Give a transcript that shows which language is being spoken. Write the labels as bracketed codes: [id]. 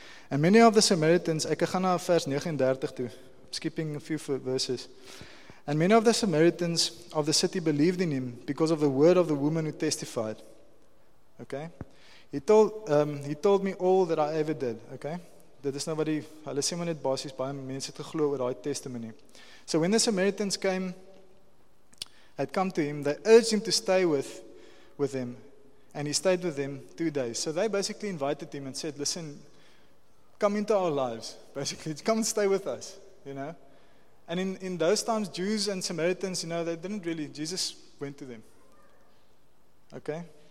[en] And many of the Samaritans, [af] ek gaan na vers 39 toe, [en] skipping a few verses. And many of the Samaritans of the city believed in him because of the word of the woman who testified. Okay? He told me all that I ever did. Okay? [af] Dit is nou wat hulle sê, net basies baie mense het geglo oor daai testimony. [en] So when the Samaritans had come to him, they urged him to stay with them, and he stayed with them 2 days. So they basically invited him and said, "Listen, come into our lives, basically. Come and stay with us, you know." And in those times, Jews and Samaritans, you know, they didn't really, Jesus went to them. Okay?